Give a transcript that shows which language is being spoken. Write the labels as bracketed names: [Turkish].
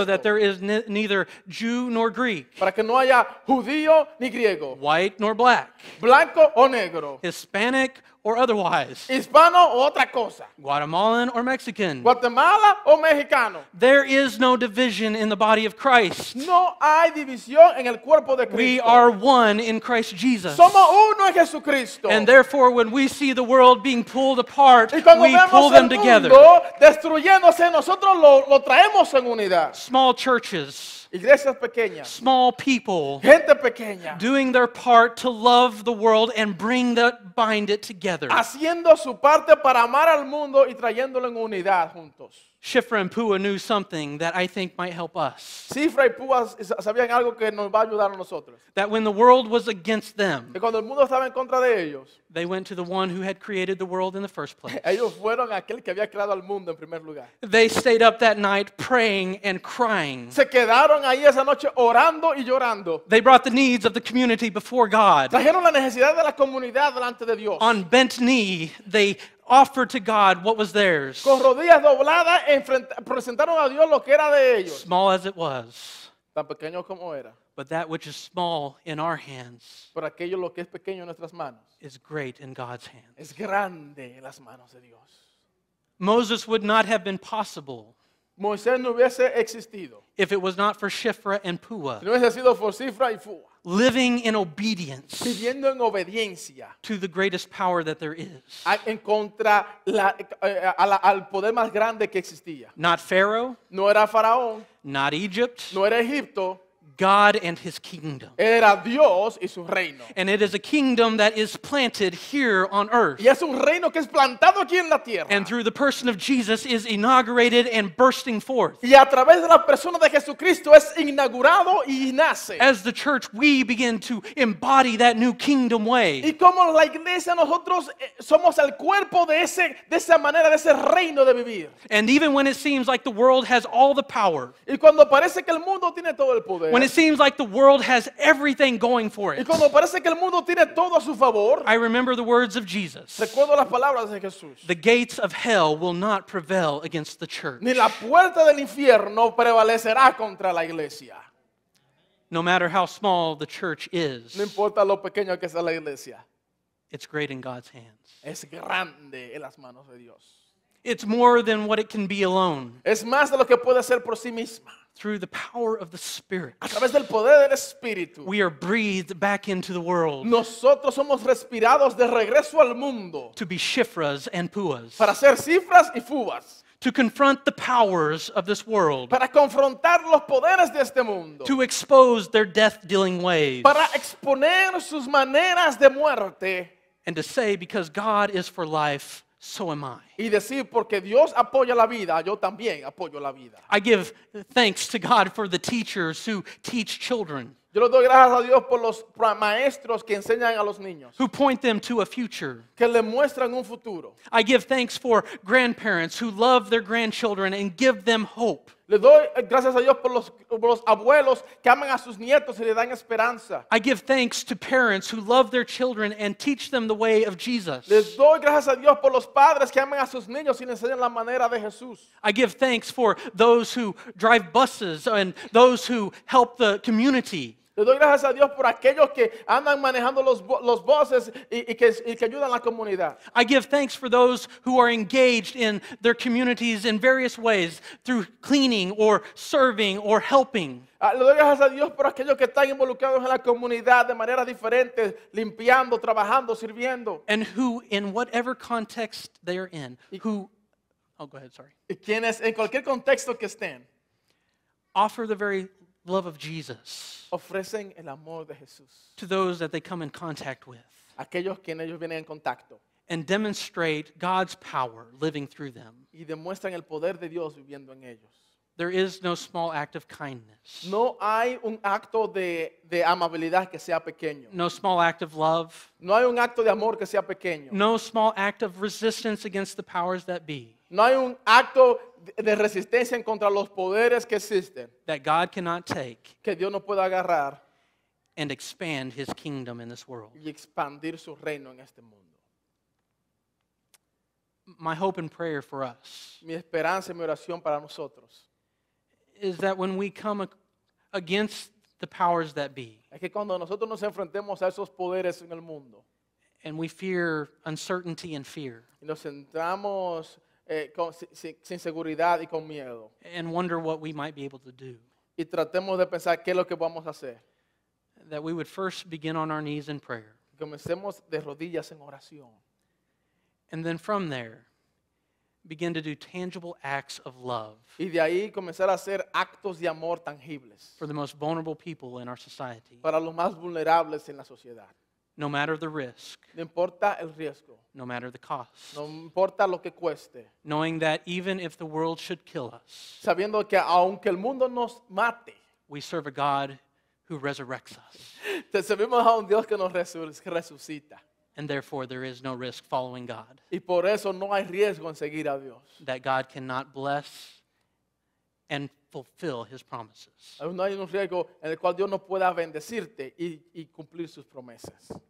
[English] So that there is neither Jew nor Greek. [Spanish] Para que no haya judío ni griego. [English] White nor black. [Spanish] Blanco o negro. [English] Hispanic or otherwise. [Spanish] Hispano o otra cosa. [English] Guatemalan or Mexican. [Spanish] Guatemala o mexicano. [English] There is no division in the body of Christ. [Spanish] No hay división en el cuerpo de Cristo. [English] We are one in Christ Jesus. [Spanish] Somos uno en Jesucristo. [English] And therefore, when we see the world being pulled apart, we pull [Spanish] el [English] them [Spanish] mundo [English] together. [Spanish] Destruyéndose, nosotros lo traemos en unidad. [English] Small churches. [Spanish] Iglesias pequeñas. [English] Small people. [Spanish] Gente pequeña. [English] Doing their part to love the world and bring that bind it together. [Spanish] Haciendo su parte para amar al mundo y trayéndolo en unidad juntos. [English] Shifra and Pua knew something that I think might help us. [Spanish] Shifra y Pua sabían algo que nos va a ayudar a nosotros. [English] That when the world was against them, [Spanish] que cuando el mundo estaba en contra de ellos, [English] they went to the one who had created the world in the first place. [Spanish] Ellos fueron aquel que había creado al mundo en primer lugar. [English] They stayed up that night praying and crying. [Spanish] Se quedaron ahí esa noche orando y llorando. [English] They brought the needs of the community before God. [Spanish] Trajeron la necesidad de la comunidad delante de Dios. [English] On bent knee, they offered to God what was theirs. [Spanish] Con rodillas dobladas presentaron a Dios lo que era de ellos. [English] Small as it was. [Spanish] Tan pequeño como era. [English] But that which is small in our hands. [Spanish] Por aquello lo que es pequeño en nuestras manos. [English] Is great in God's hands. [Spanish] Es grande en las manos de Dios. [English] Moses would not have been possible. [Spanish] Moisés no hubiese existido. [English] If it was not for Shifra and Pua. [Spanish] Si no hubiese sido por Shifra y Pua. [English] Living in obedience, [Spanish] viviendo en obediencia, [English] to the greatest power that there is, [Spanish] en contra al poder más grande que existía. [English] Not Pharaoh, [Spanish] no era faraón. [English] Not Egypt, [Spanish] no era Egipto. [English] God and His kingdom, [Spanish] era Dios y su reino. [English] And it is a kingdom that is planted here on earth. [Spanish] Y es un reino que es plantado aquí en la tierra. [English] And through the person of Jesus is inaugurated and bursting forth. [Spanish] Y a través de la persona de Jesucristo es inaugurado y nace. [English] As the church, we begin to embody that new kingdom way. [Spanish] Y como la iglesia nosotros somos el cuerpo de esa manera de ese reino de vivir. [English] And even when it seems like the world has all the power. [Spanish] Y cuando parece que el mundo tiene todo el poder. [English] When it seems like the world has everything going for it. [Spanish] Y cuando parece que el mundo tiene todo a su favor, [English] I remember the words of Jesus. [Spanish] Recuerdo las palabras de Jesús. [English] The gates of hell will not prevail against the church. [Spanish] Ni la puerta del infierno prevalecerá contra la iglesia. [English] No matter how small the church is. [Spanish] No importa lo pequeño que sea la iglesia. [English] It's great in God's hands. [Spanish] Es grande en las manos de Dios. [English] It's more than what it can be alone. [Spanish] Es más de lo que puede hacer por sí misma. [English] Through the power of the Spirit, [Spanish] a través del poder del Espíritu, [English] we are breathed back into the world. [Spanish] Nosotros somos respirados de regreso al mundo. [English] To be shifras and puas. [Spanish] Para ser cifras y fuas. [English] To confront the powers of this world. [Spanish] Para confrontar los poderes de este mundo. [English] To expose their death-dealing ways. [Spanish] Para exponer sus maneras de muerte. [English] And to say, because God is for life, so am I. [Spanish] Y decir, porque Dios apoya la vida, yo también apoyo la vida. [English] I give thanks to God for the teachers who teach children. [Spanish] Yo le doy gracias a Dios por los maestros que enseñan a los niños. [English] Who point them to a future. [Spanish] Que le muestran un futuro. [English] I give thanks for grandparents who love their grandchildren and give them hope. [Spanish] Le doy gracias a Dios por los abuelos que aman a sus nietos y le dan esperanza. [English] I give thanks to parents who love their children and teach them the way of Jesus. [Spanish] Les doy gracias a Dios por los padres que aman a sus niños y les enseñan la manera de Jesús. [English] I give thanks for those who drive buses and those who help the community. [Spanish] Le doy gracias a Dios por aquellos que andan manejando los buses y que ayudan a la comunidad. [English] I give thanks for those who are engaged in their communities in various ways through cleaning or serving or helping. [Spanish] Le doy gracias a Dios por aquellos que están involucrados en la comunidad de maneras diferentes, limpiando, trabajando, sirviendo. [English] And who, in whatever context they are in, [Spanish] Y quienes, en cualquier contexto que estén, [English] offer the very love of Jesus. [Spanish] Ofrecen el amor de Jesús. [English] To those that they come in contact with. [Spanish] Aquellos quien ellos vienen en contacto. [English] And demonstrate God's power living through them. [Spanish] Y demuestran el poder de Dios viviendo en ellos. [English] There is no small act of kindness. [Spanish] No hay un acto de amabilidad que sea pequeño. [English] No small act of love. [Spanish] No hay un acto de amor que sea pequeño. [English] No small act of resistance against the powers that be. [Spanish] No hay un acto de resistencia en contra los poderes que existen. [English] That God cannot take. [Spanish] Que Dios no puede agarrar. [English] And expand his kingdom in this world. [Spanish] Y expandir su reino en este mundo. [English] My hope and prayer for us. [Spanish] Mi esperanza y mi oración para nosotros. [English] Is that when we come against the powers that be. [Spanish] Es que cuando nosotros nos enfrentemos a esos poderes en el mundo. [English] And we fear uncertainty and fear. [Spanish] Y nos centramos sin seguridad y con miedo. [English] And wonder what we might be able to do. [Spanish] Y tratemos de pensar qué es lo que vamos a hacer. [English] That we would first begin on our knees in prayer. [Spanish] Comencemos de rodillas en oración. [English] And then from there, begin to do tangible acts of love. [Spanish] Y de ahí comenzar a hacer actos de amor tangibles. [English] For the most vulnerable people in our society. [Spanish] Para los más vulnerables en la sociedad. [English] No matter the risk. [Spanish] No importa el riesgo. [English] No matter the cost. [Spanish] No importa lo que cueste. [English] Knowing that even if the world should kill us. [Spanish] Sabiendo que aunque el mundo nos mate. [English] We serve a God who resurrects us. [Spanish] Te servimos a un Dios que nos resucita. [English] And therefore there is no risk following God. [Spanish] Y por eso no hay riesgo en seguir a Dios. [English] That God cannot bless and fulfill his promises. [Spanish] No hay un riesgo en el cual Dios no pueda bendecirte y cumplir sus promesas.